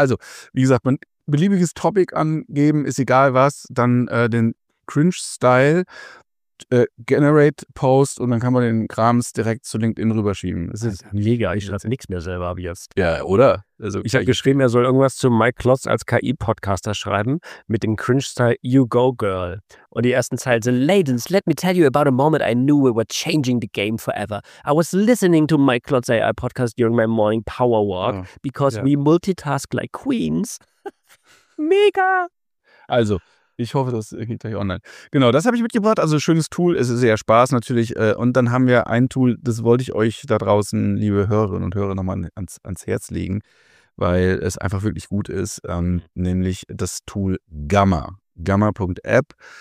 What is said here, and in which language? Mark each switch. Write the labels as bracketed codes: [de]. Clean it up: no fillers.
[de] Also, wie gesagt, ein beliebiges Topic angeben, ist egal was, dann den Cringe-Style generate Post und dann kann man den Krams direkt zu LinkedIn rüberschieben. Das ist mega, ich schreibe nichts mehr selber ab jetzt. Ja, oder? Also ich habe geschrieben, er soll irgendwas zu Mike Klotz als KI-Podcaster schreiben mit dem Cringe-Style You Go Girl. Und die ersten Zeilen sind: [en] Ladies, let me tell you about a moment I knew we were changing the game forever. I was listening to Mike Klotz AI-Podcast during my morning power walk because we multitask like queens. [de] Mega! Also, ich hoffe, das geht gleich online. Genau, das habe ich mitgebracht. Also schönes Tool. Es ist sehr Spaß natürlich. Und dann haben wir ein Tool, das wollte ich euch da draußen, liebe Hörerinnen und Hörer, nochmal ans Herz legen, weil es einfach wirklich gut ist. Nämlich das Tool Gamma. Gamma.app.